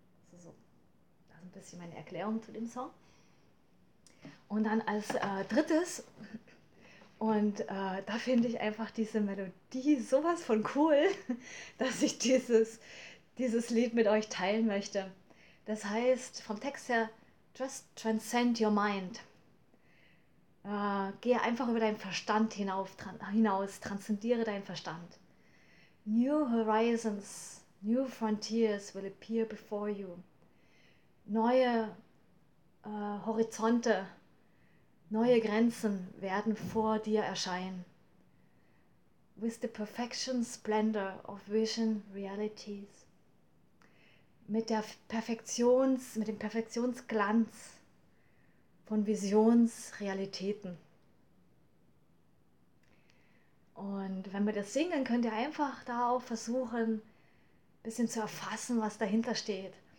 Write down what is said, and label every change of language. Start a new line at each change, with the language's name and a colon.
German: Das ist ein bisschen meine Erklärung zu dem Song. Und dann als drittes, und da finde ich einfach diese Melodie sowas von cool, dass ich dieses Lied mit euch teilen möchte. Das heißt vom Text her,
English: just transcend your mind.
German: Gehe einfach über deinen Verstand hinaus, transzendiere deinen Verstand.
English: New horizons, new frontiers will appear before you.
German: Neue Horizonte, neue Grenzen werden vor dir erscheinen.
English: With the perfection splendor of vision realities.
German: Mit dem Perfektionsglanz von Visionsrealitäten. Und wenn wir das singen, könnt ihr einfach da auch versuchen, ein bisschen zu erfassen, was dahinter steht.